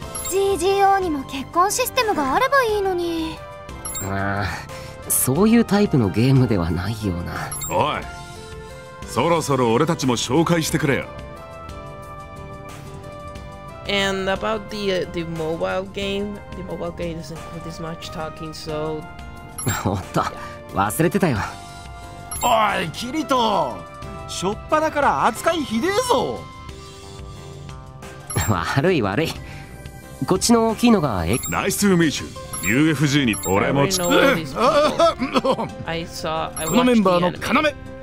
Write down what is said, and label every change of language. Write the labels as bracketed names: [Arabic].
[Japanese] GGO にも結婚システムがあればいいのに。そういうタイプのゲームではないような。おい、そろそろ俺たちも紹介してくれよ。 [English] And about the mobile game, the mobile game doesn't put as much talking, so. [Japanese] おっと、忘れてたよ。おい、キリト、しょっぱだから扱いひでえぞ。悪い悪い。こっちの大きいのが [English] Nice to meet you. UFG に [Japanese] 俺もち。このメンバーの要。